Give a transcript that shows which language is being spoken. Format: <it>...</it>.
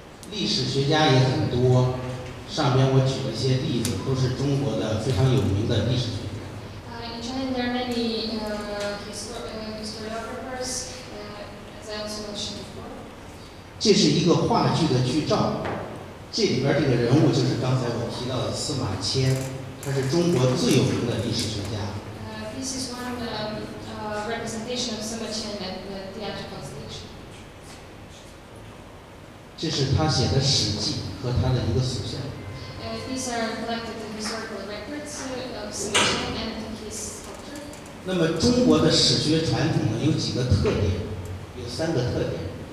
<zh>历史学家也很多，上边我举了一些例子，都是中国的非常有名的历史学家。</zh> <en>In China, there are many historiographers, as I also mentioned before.</en> <zh>这是一个话剧的剧照，这里边这个人物就是刚才我提到的司马迁，他是中国最有名的历史学家。</zh> <en>This is one representation of Sima Qian at the theatrical stage.</en> <zh>这是他写的史记和他的一个属下。</zh> <en>These are collected historical records of Sima Qian and his sculpture.</en> <zh>那么中国的史学传统呢，有几个特点，有三个特点。</zh>